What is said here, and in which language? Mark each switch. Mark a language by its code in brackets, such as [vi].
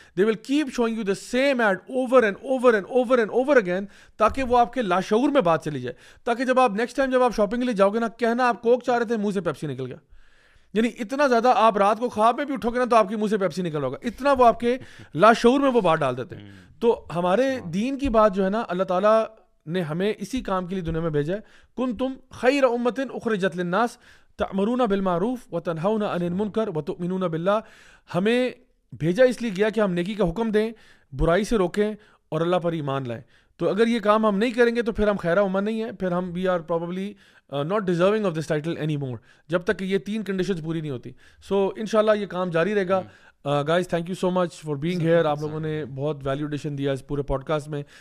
[en] they will keep showing you the same ad over and over and over and over again, [ur] تاکہ وہ آپ کے لاشعور میں بات چلی جائے, تاکہ جب آپ نیکسٹ ٹائم جب آپ شاپنگ کے لیے جاؤ گے نا, کہنا آپ کوک چاہ رہے تھے, منہ سے پیپسی نکل گیا. یعنی اتنا زیادہ آپ رات کو خواب میں بھی اٹھو گے نا تو آپ کے منہ سے پیپسی نکل ہوگا, اتنا وہ آپ کے لاشعور میں وہ بات ڈال دیتے ہیں. تو ہمارے دین کی بات جو ہے نا, اللہ تعالیٰ نے ہمیں اسی کام کے لیے دنیا میں بھیجا ہے. [ar] کن تم خیر امت اخرجت للناس تأمرون بالمعروف وتنہون عن المنکر وتؤمنون باللہ. [ur] ہمیں بھیجا اس لیے گیا کہ ہم نیکی کا حکم دیں, برائی سے روکیں اور اللہ پر ایمان لائیں. تو اگر یہ کام ہم نہیں کریں گے تو پھر ہم خیر امت نہیں ہیں, پھر ہم [en] we are probably not deserving of this title anymore, [ur] جب تک کہ یہ تین کنڈیشنز پوری نہیں ہوتی. سو انشاءاللہ یہ کام جاری رہے گا. [en] guys thank you so much for being here, [ur] آپ لوگوں نے بہت ویلیو ایڈیشن دیا اس پورے پوڈ کاسٹ میں.